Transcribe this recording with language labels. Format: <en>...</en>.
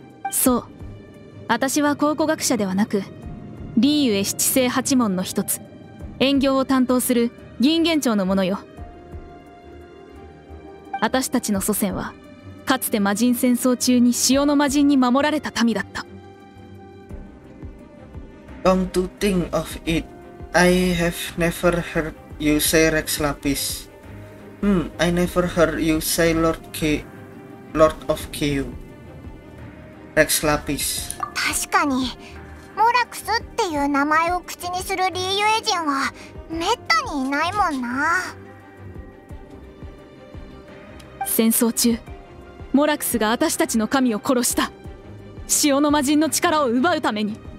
<ja>そう、私は考古学者ではなく、リーウェ七星八門の一つ遠行を担当する銀元町の者よ。私たちの祖先はかつて魔人戦争中に潮の魔人に守られた民だった。</ja> <en>Come to think of it, I have never heard you say Rex Lapis. I never heard you say Lord of Kyu. Rex Lapis.</en> <ja>確かにモラクスっていう名前を口にするリーユエ人はめったにいないもんな。戦争中モラクスが私たちの神を殺した。潮の魔人の力を奪うために。</ja>